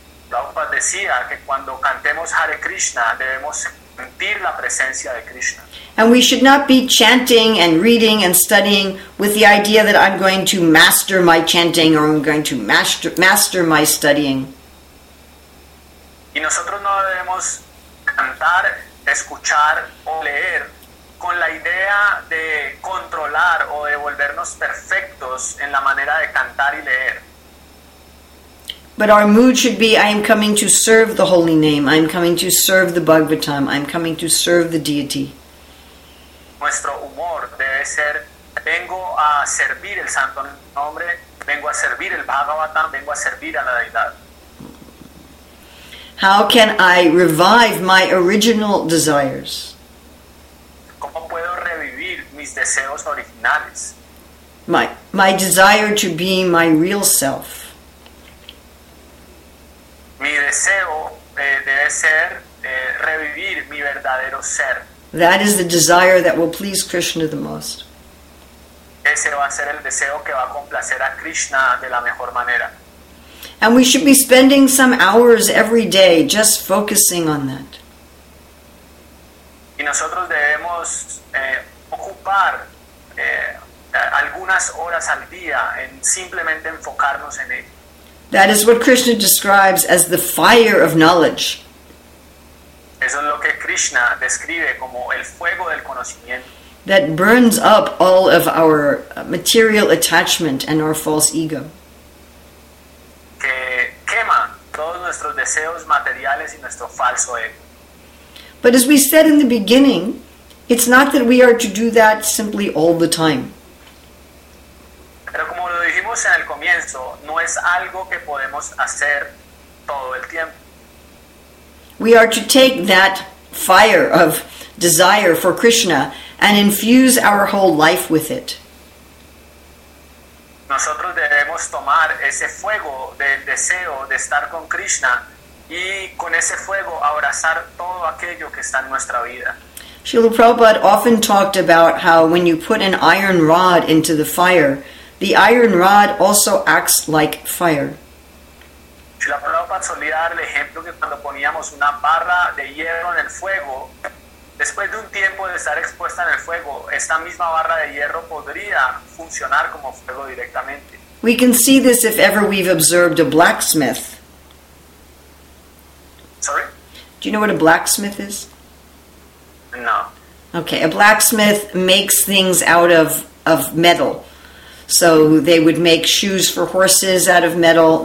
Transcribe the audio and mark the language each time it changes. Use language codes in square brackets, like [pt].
[es] Prabhupada decía que cuando cantemos Hare Krishna, debemos sentir la presencia de Krishna. [en] And we should not be chanting and reading and studying with the idea that I'm going to master my chanting or I'm going to master my studying. [es] Y nosotros no debemos cantar, escuchar o leer con la idea de controlar o de volvernos perfectos en la manera de cantar y leer. [en] But our mood should be, I am coming to serve the holy name, I am coming to serve the Bhagavatam, I am coming to serve the deity. [es] Nuestro humor debe ser, vengo a servir el santo nombre, vengo a servir el Bhagavatam, vengo a servir a la deidad. [en] How can I revive my original desires? [es] ¿Cómo puedo revivir mis deseos originales? [en] My desire to be my real self. [es] Mi deseo debe ser revivir mi verdadero ser. [en] That is the desire that will please Krishna the most. [es] Ese va a ser el deseo que va a complacer a Krishna de la mejor manera. [en] And we should be spending some hours every day just focusing on that. [es] Y nosotros debemos ocupar algunas horas al día en simplemente enfocarnos en ello. [en] That is what Krishna describes as the fire of knowledge. [es] Eso es lo que Krishna describe como el fuego del conocimiento. [en] That burns up all of our material attachment and our false ego. [es] Que quema todos nuestros deseos materiales y nuestro falso ego. [en] But as we said in the beginning, it's not that we are to do that simply all the time. [es] Pero como lo dijimos en el comienzo, no es algo que podemos hacer todo el tiempo. [en] We are to take that fire of desire for Krishna and infuse our whole life with it. [es] Nosotros debemos tomar ese fuego del deseo de estar con Krishna y con ese fuego abrazar todo aquello que está en nuestra vida. [en] Srila Prabhupada often talked about how when you put an iron rod into the fire, the iron rod also acts like fire. [es] Srila Prabhupada solía dar el ejemplo que cuando poníamos una barra de hierro en el fuego, después de un tiempo de estar expuesta en el fuego, esta misma barra de hierro podría funcionar como fuego directamente. [en] We can see this if ever we've observed a blacksmith. Sorry? Do you know what a blacksmith is? No. Okay, a blacksmith makes things out of metal. So they would make shoes for horses out of metal.